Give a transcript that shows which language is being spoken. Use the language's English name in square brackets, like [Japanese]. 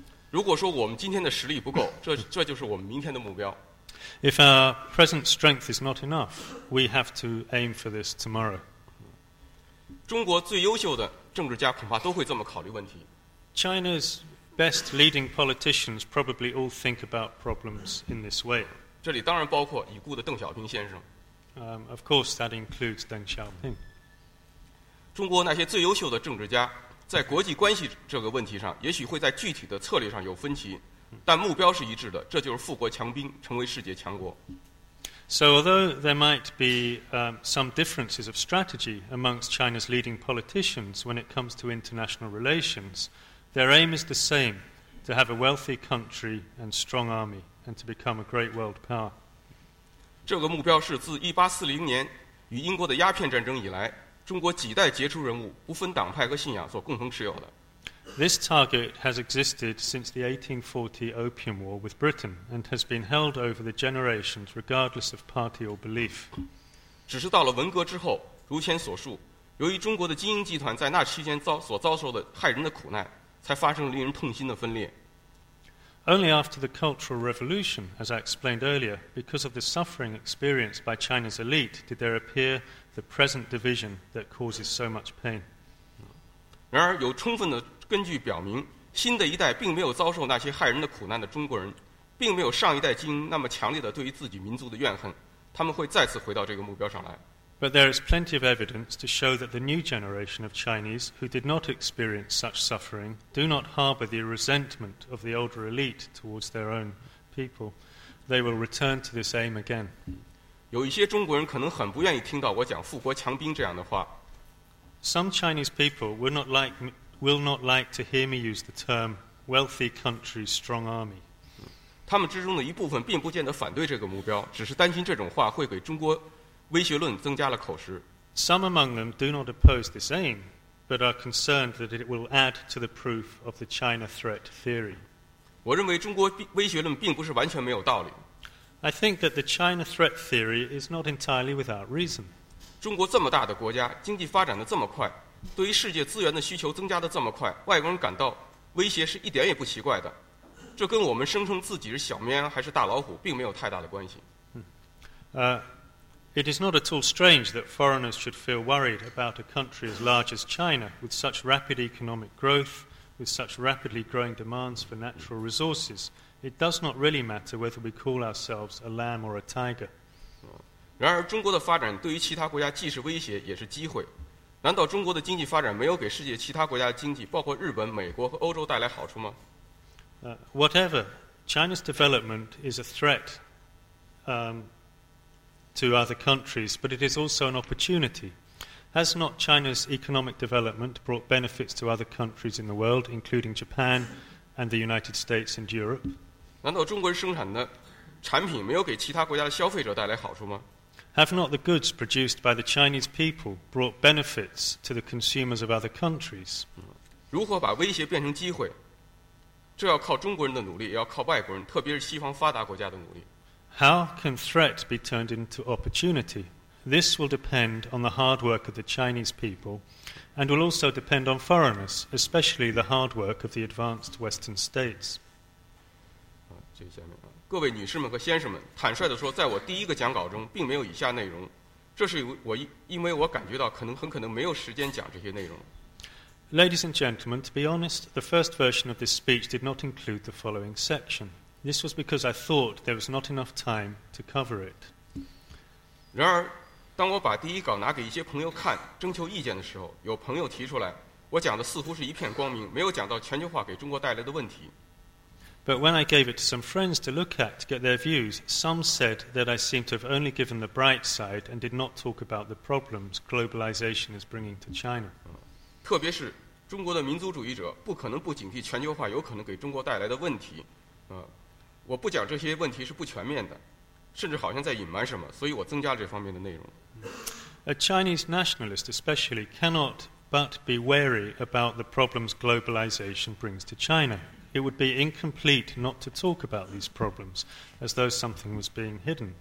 [Chinese] 如果说我们今天的实力不够，这就是我们明天的目标。 [English] If our present strength is not enough, we have to aim for this tomorrow. [Chinese] 中国最优秀的政治家恐怕都会这么考虑问题。 [English] China's best leading politicians probably all think about problems in this way. [Chinese] 这里当然包括已故的邓小平先生。 [English] Of course, that includes Deng Xiaoping. [Chinese] 中国那些最优秀的政治家在国际关系这个问题上，也许会在具体的策略上有分歧，但目标是一致的，这就是富国强兵，成为世界强国。 [English] So although there might be some differences of strategy amongst China's leading politicians when it comes to international relations, their aim is the same, to have a wealthy country and strong army and to become a great world power. [Chinese] 这个目标是自1840年与英国的鸦片战争以来，中国几代杰出人物不分党派和信仰所共同持有的。 [English] This target has existed since the 1840 Opium War with Britain and has been held over the generations regardless of party or belief. [Chinese] 只是到了文革之后，如前所述，由于中国的精英集团在那期间遭受的害人的苦难，才发生令人痛心的分裂。 [English] Only after the Cultural Revolution, as I explained earlier, because of the suffering experienced by China's elite, did there appear the present division that causes so much pain. [Chinese] 然而，有充分的根据表明，新的一代并没有遭受那些害人的苦难的中国人，并没有上一代精英那么强烈的对于自己民族的怨恨，他们会再次回到这个目标上来。 [English] But there is plenty of evidence to show that the new generation of Chinese who did not experience such suffering do not harbor the resentment of the older elite towards their own people. They will return to this aim again. [Chinese] 有一些中国人可能很不愿意听到我讲富国强兵这样的话。 [English] Some Chinese people will not like to hear me use the term wealthy country strong army. [Chinese] 他们之中的一部分并不见得反对这个目标，只是担心这种话会给中国威胁论增加了口实。 [English] Some among them do not oppose this aim, but are concerned that it will add to the proof of the China threat theory. [Chinese] 我认为中国威胁论并不是完全没有道理。 [English] I think that the China threat theory is not entirely without reason. [Chinese] 中国这么大的国家，经济发展的这么快，对于世界资源的需求增加的这么快，外国人感到威胁是一点也不奇怪的。这跟我们声称自己是小绵羊还是大老虎并没有太大的关系。 [English] It is not at all strange that foreigners should feel worried about a country as large as China, with such rapid economic growth, with such rapidly growing demands for natural resources. It does not really matter whether we call ourselves a lamb or a tiger. [Chinese] 然而，中国的发展对于其他国家既是威胁也是机会。难道中国的经济发展没有给世界其他国家的经济，包括日本、美国和欧洲带来好处吗？ [English] Whatever, China's development is a threat. To other countries, but it is also an opportunity. Has not China's economic development brought benefits to other countries in the world, including Japan and the United States and Europe? [Chinese] 难道中国人生产的产品没有给其他国家的消费者带来好处吗？ [English] Have not the goods produced by the Chinese people brought benefits to the consumers of other countries? [Chinese] 如何把威胁变成机会？这要靠中国人的努力，也要靠外国人，特别是西方发达国家的努力。 [English] How can threat be turned into opportunity? This will depend on the hard work of the Chinese people and will also depend on foreigners, especially the hard work of the advanced Western states. [Chinese] 各位女士们和先生们，坦率地说，在我第一个讲稿中并没有以下内容，这是因为我感觉到很可能没有时间讲这些内容。 [English] Ladies and gentlemen, to be honest, the first version of this speech did not include the following section. This was because I thought there was not enough time to cover it. [Chinese] 然而，当我把第一稿拿给一些朋友看，征求意见的时候，有朋友提出来，我讲的似乎是一片光明，没有讲到全球化给中国带来的问题。 [English] But when I gave it to some friends to look at to get their views, some said that I seemed to have only given the bright side and did not talk about the problems globalization is bringing to China. [Chinese] 特别是中国的民族主义者不可能不警惕全球化有可能给中国带来的问题。我不讲这些问题是不全面的，甚至好像在隐瞒什么，所以我增加了这方面的内容。 [English] A Chinese nationalist especially cannot but be wary about the problems globalization brings to China. It would be incomplete not to talk about these problems as though something was being hidden.